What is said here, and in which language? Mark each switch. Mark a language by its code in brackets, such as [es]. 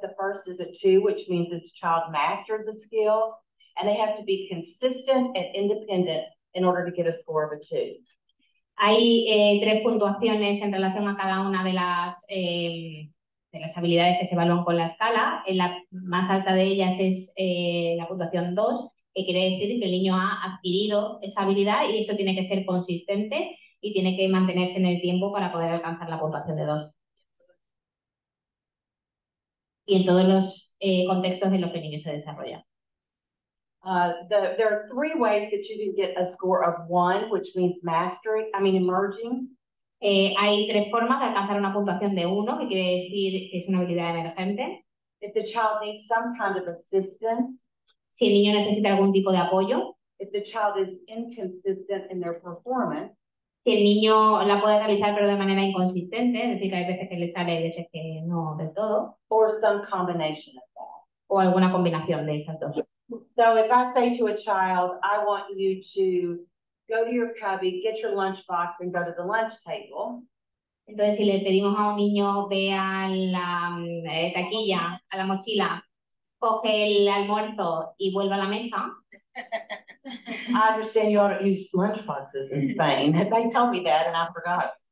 [en] The first is a 2, which means that the child mastered the skill, and they have to be consistent and independent in order to get a score of a 2. [es] Hay tres puntuaciones en relación a cada una de las habilidades que se evalúan con la escala. En la más alta de ellas es la puntuación 2, que quiere decir que el niño ha adquirido esa habilidad y eso tiene que ser consistente y tiene que mantenerse en el tiempo para poder alcanzar la puntuación de 2. Y en todos los contextos en los que el niño se desarrolla. [en] There are three ways that you can get a score of 1, which means mastery, I mean emerging. [es] Hay tres formas de alcanzar una puntuación de 1, que quiere decir que es una habilidad emergente. [en] If the child needs some kind of assistance, [es] si el niño necesita algún tipo de apoyo. [en] If the child is inconsistent in their performance, [es] si el niño la puede realizar pero de manera inconsistente, es decir, que hay veces que le sale y veces que no del todo. [en] Or some combination of that. [es] O alguna combinación de esas dos. [en] So if I say to a child, I want you to go to your cubby, get your lunchbox, and go to the lunch table. [es] Entonces, si le pedimos a un niño, ve a la taquilla, a la mochila, coge el almuerzo y vuelva a la mesa. [en] I understand you all don't use lunch boxes in Spain. They tell me that and I forgot.